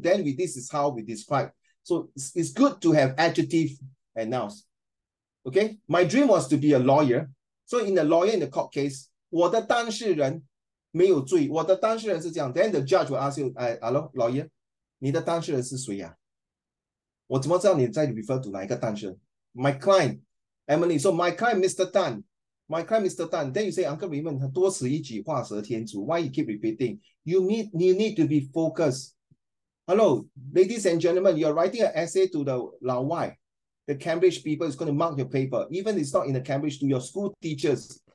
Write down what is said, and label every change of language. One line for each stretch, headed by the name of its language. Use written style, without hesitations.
English: Then this is how we describe. So it's good to have adjective and nouns. Okay, my dream was to be a lawyer. So in a lawyer, in the court case,
Chinese: 我的当事人没有罪,我的当事人是这样,
English: then the judge will ask you, hello, lawyer,
Chinese: 你的当事人是谁啊? 我怎么知道你在
English: refer to
Chinese: 哪一个当事人?
English: My client, Emily, so my client, Mr. Tan, then you say, Uncle Raymond,
Chinese: 多此一举,画蛇添足,
English: why you keep repeating? You need to be focused. Hello, ladies and gentlemen, you're writing an essay to the 老外, the Cambridge people is going to mark your paper, even if it's not in the Cambridge, to your school teachers.